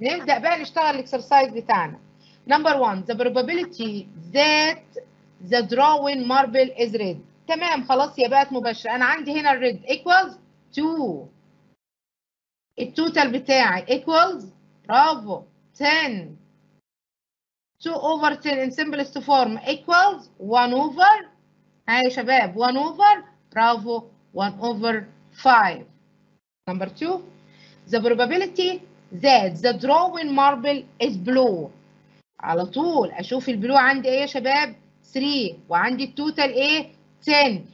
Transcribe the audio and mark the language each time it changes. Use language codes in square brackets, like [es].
[ar] نبدأ بقى نشتغل الاكسرسايز بتاعنا. [en] Number one, the probability that the drawing marble is red. [ar] تمام خلاص يا بات مباشرة. أنا عندي هنا [en] red equals 2. [ar] التوتال بتاعي equals برافو 10. [en] 2 over 10 in simplest form equals 1 over. [ar] هاي يا شباب 1 over برافو 1 over 5. [en] Number two, the probability that the drawing marble is blue. [ar] على طول أشوف البلو عندي إيه يا شباب؟ 3 وعندي التوتال إيه؟ 10.